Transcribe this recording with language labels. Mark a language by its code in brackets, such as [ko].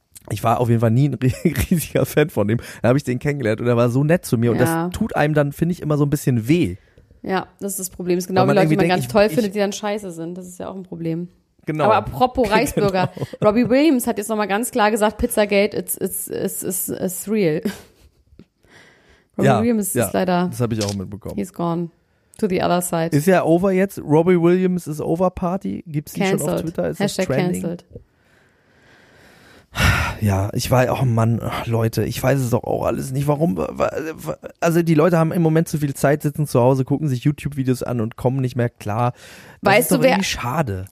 [de] Ich war auf jeden Fall nie ein riesiger Fan von dem. Da habe ich den kennengelernt und er war so nett zu mir. Und das tut einem dann, finde ich, immer so ein bisschen weh. Ja, das ist das Problem. Es ist genau wie Leute, die man ganz toll findet, die dann scheiße sind. Das ist ja auch ein Problem. Genau. Aber apropos Reichsbürger. Genau. Robbie Williams hat jetzt nochmal ganz klar gesagt, Pizzagate, it's real. Robbie Williams ist leider... Das habe ich auch mitbekommen. [en] He's gone to the other side. [de] Ist ja over jetzt. [en] Robbie Williams is over Party. [de] Gibt es die schon auf Twitter? Ist Hashtag [en] trending? Canceled. [de] Ja, ich weiß, oh Mann, Leute, ich weiß es doch auch alles nicht, warum, also die Leute haben im Moment zu viel Zeit, sitzen zu Hause, gucken sich YouTube-Videos an und kommen nicht mehr klar. Das weißt ist du, doch irgendwie schade.